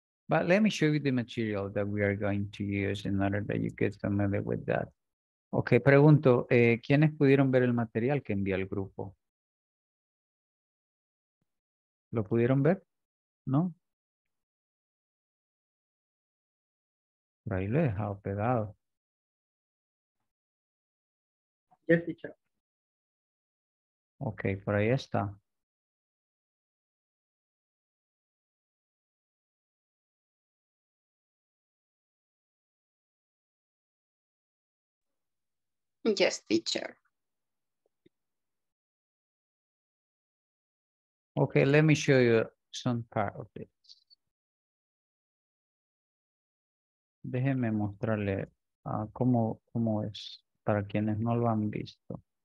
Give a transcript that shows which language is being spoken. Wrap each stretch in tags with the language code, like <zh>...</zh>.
<en>But let me show you the material that we are going to use in order that you get familiar with that.</en> <es>Okay, pregunto, ¿quiénes pudieron ver el material que envía el grupo? ¿Lo pudieron ver? ¿No? Por ahí lo he dejado pegado.</es> <en>Yes, teacher.</en> <es>Okay, por ahí está.</es> <en>Yes, teacher. Okay, let me show you some part of it.</en> <es>Déjenme mostrarle cómo es para quienes no lo han visto.</es>